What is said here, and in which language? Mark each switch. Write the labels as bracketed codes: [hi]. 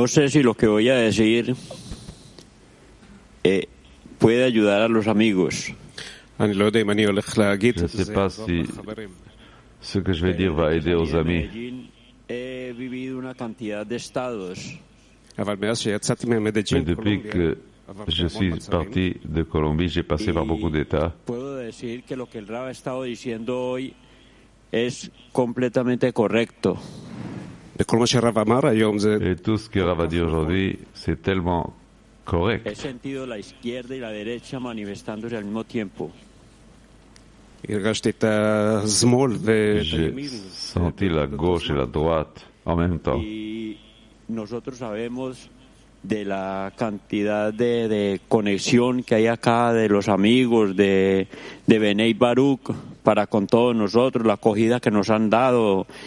[es] No sé si lo que voy a decir puede ayudar a los amigos. [fr] Je ne sais pas si ce que je vais dire va aider aux amis. [es] He vivido una cantidad de estados. [fr] Mais depuis que je suis parti de Colombie, j'ai passé par beaucoup d'états. [es] Puedo decir que lo que el Rav ha estado diciendo hoy es completamente correcto. [fr] Et tout ce que Rav a dit aujourd'hui, c'est tellement correct. [es] He sentido la izquierda y la derecha manifestándose al mismo tiempo. [fr] J'ai senti la gauche et la droite en même temps. [es] Nosotros sabemos de la cantidad de conexión que hay acá de los amigos de Benei Baruch para con todos nosotros, la acogida que nos han dado.